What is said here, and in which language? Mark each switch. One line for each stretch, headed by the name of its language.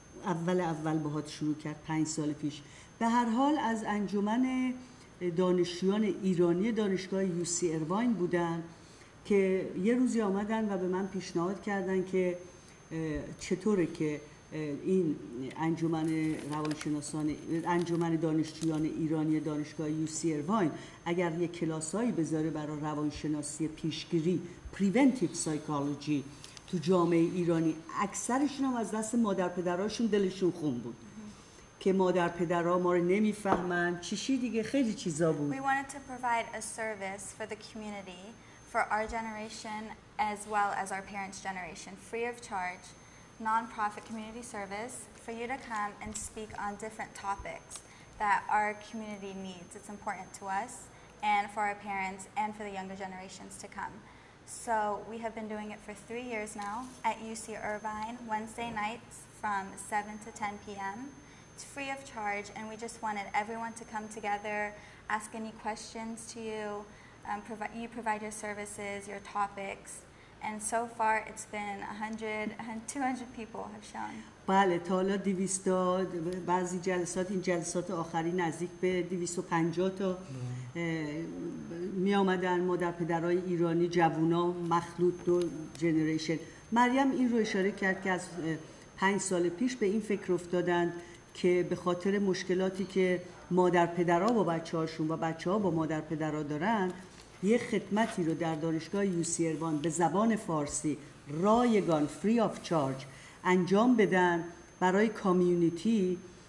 Persian: اول باهات شروع کرد 5 سال پیش. به هر حال از انجمن دانشجویان ایرانی دانشگاه یو سی ارواین بودن که یه روزی آمدن و به من پیشنهاد کردن که چطوره که این انجمن روانشناسان، انجمن دانشجویان ایرانی دانشگاه یو سی ارواین اگر یه کلاسایی بذاره برای روانشناسی پیشگیری پریونتیو سایکولوژی تو جامعه ایرانی. اکثرشون هم از دست مادر پدرهاشون دلشون خون بود که مادر پدرها ما رو نمیفهمن چیشی دیگه، خیلی چیزا بود.
English: We wanted to provide a service for the community, for our generation as well as our parents' generation, free of charge, non-profit community service for you to come and speak on different topics that our community needs. It's important to us and for our parents and for the younger generations to come. So we have been doing it for 3 years now at UC Irvine, Wednesday nights from 7 to 10 p.m. It's free of charge, and we just wanted everyone to come together, ask any questions to you, provide your services, your topics, and so far it's been 200 people have shown.
Persian: بله، تا حالا 200 بعضی جلسات، این جلسات آخری نزدیک به 250 تا می آمدن مادر پدرهای ایرانی، جوونا، مخلوط دو جنریشن. مریم این رو اشاره کرد که از 5 سال پیش به این فکر افتادند که به خاطر مشکلاتی که مادر پدرها با بچه هاشون و بچه ها با مادر پدرها دارن، یه خدمتی رو در دانشگاه یو سی ارواین به زبان فارسی رایگان
English: free of charge
Persian: انجام بدن برای کامیونیتی